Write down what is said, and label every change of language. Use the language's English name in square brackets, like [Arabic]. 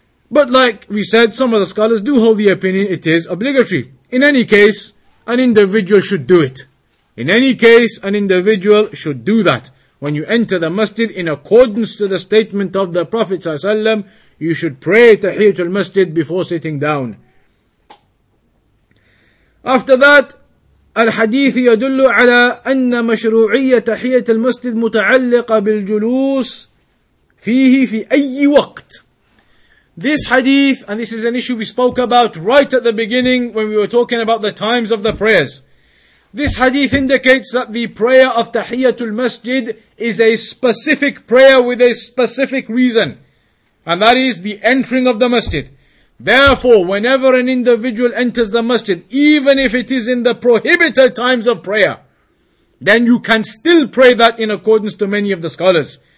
[English] But like we said, some of the scholars do hold the opinion it is obligatory. In any case, an individual should do it. In any case, an individual should do that. When you enter the masjid, in accordance to the statement of the Prophet ﷺ, you should pray Tahiyyatul Masjid before sitting down. After that, [Arabic] الحديث يدل على أن مشروعية تحية المسجد متعلقة بالجلوس فيه في أي وقت. [English] This hadith, and this is an issue we spoke about right at the beginning when we were talking about the times of the prayers. This hadith indicates that the prayer of Tahiyyatul Masjid is a specific prayer with a specific reason. And that is the entering of the masjid. Therefore, whenever an individual enters the masjid, even if it is in the prohibited times of prayer, then you can still pray that in accordance to many of the scholars.